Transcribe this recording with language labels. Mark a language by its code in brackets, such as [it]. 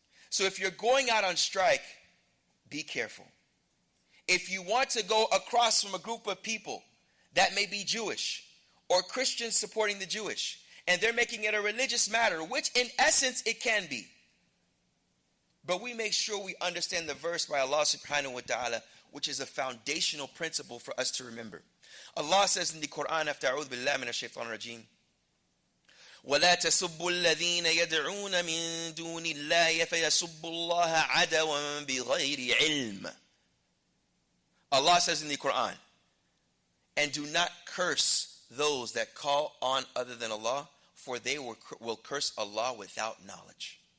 [en] So if you're going out on strike, be careful. If you want to go across from a group of people that may be Jewish or Christians supporting the Jewish, and they're making it a religious matter, which in essence it can be. But we make sure we understand the verse by Allah subhanahu wa ta'ala, which is a foundational principle for us to remember. Allah says in the Quran, after [ar] a'udhu billahi minash shaitanir rajeem, وَلَا تَسُبُّوا الَّذِينَ يَدْعُونَ مِن دُونِ اللَّهِ فَيَسُبُّوا اللَّهَ عَدَوًا بِغَيْرِ عِلْمٍ. [en] Allah says in the Quran, and do not curse those that call on other than Allah, for they will curse Allah without knowledge.